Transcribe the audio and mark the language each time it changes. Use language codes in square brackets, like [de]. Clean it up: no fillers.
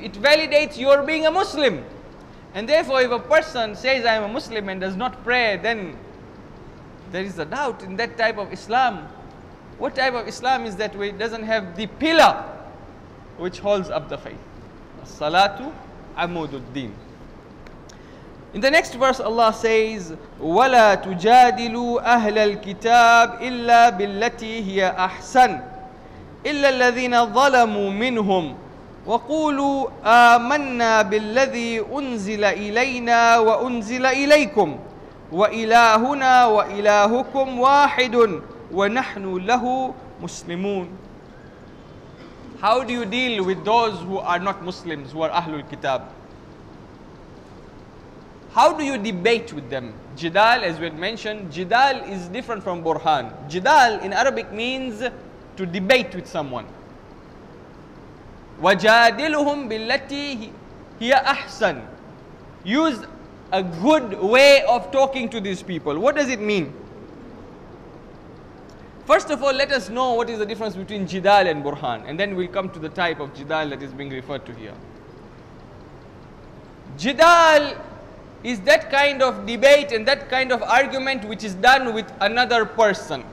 [en] It validates your being a Muslim. And therefore, if a person says, I am a Muslim and does not pray, then there is a doubt in that type of Islam. What type of Islam is that where it doesn't have the pillar which holds up the faith? [ar] As-salatu amududdin. [en] In the next verse, Allah says, [ar] وَلَا تُجَادِلُوا أَهْلَ الْكِتَابِ إِلَّا بِالَّتِي هِيَ أَحْسَنُ إِلَّا الَّذِينَ ظَلَمُوا مِنْهُمْ وَقُولُوا آمَنَّا بِالَّذِي أُنزِلَ إِلَيْنَا وَأُنزِلَ إِلَيْكُمْ وَإِلَهُنَا وَإِلَهُكُمْ وَاحِدٌ وَنَحْنُ لَهُ مُسْلِمُونَ. [en] How do you deal with those who are not Muslims, who are Ahlul Kitab? How do you debate with them? Jidal, as we had mentioned, Jidal is different from Burhan. Jidal in Arabic means to debate with someone. [ar] وَجَادِلُهُمْ بِالَّتِي هِيَ أَحْسَنُ. [en] Use a good way of talking to these people. What does it mean? First of all, let us know what is the difference between jidal and burhan, and then we'll come to the type of jidal that is being referred to here. Jidal is that kind of debate and that kind of argument which is done with another person.